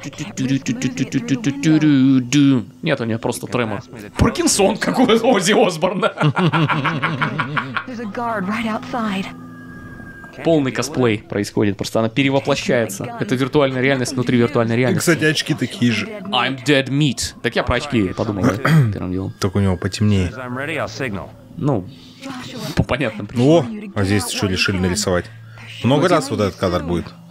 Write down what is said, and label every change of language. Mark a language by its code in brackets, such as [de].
[ru] Нет, у меня просто тремор. Паркинсон, как у Оззи Осборна. [en] There's a guard right outside. [ru] Полный косплей происходит, просто она перевоплощается. Это виртуальная реальность внутри виртуальной реальности. Кстати, очки такие же. [en] I'm dead meat. [ru] Так я про очки подумал, первым делом. Только у него потемнее. Ну, по понятным причинам. О, а здесь что решили нарисовать? Много раз вот этот кадр будет?